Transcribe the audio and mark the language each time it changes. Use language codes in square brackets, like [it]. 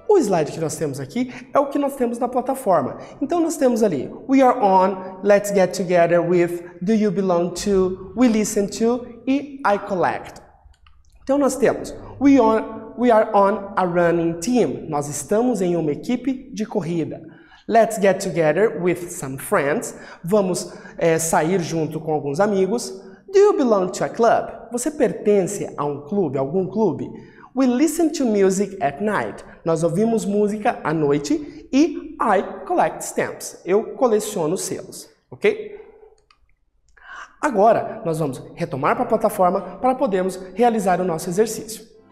[pt] slide que nós temos aqui é o que nós temos na plataforma. Então, nós temos ali, [en] we are on, let's get together with, do you belong to, we listen to [pt] e [en] I collect. [pt] Então, nós temos, [en] we are on a running team. [pt] Nós estamos em uma equipe de corrida. [en] Let's get together with some friends. [pt] Vamos sair junto com alguns amigos. [en] Do you belong to a club? [pt] Você pertence a um clube, algum clube? [en] We listen to music at night. [pt] Nós ouvimos música à noite. E [en] I collect stamps. [pt] Eu coleciono selos, ok? Agora, nós vamos retomar para a plataforma para podermos realizar o nosso exercício.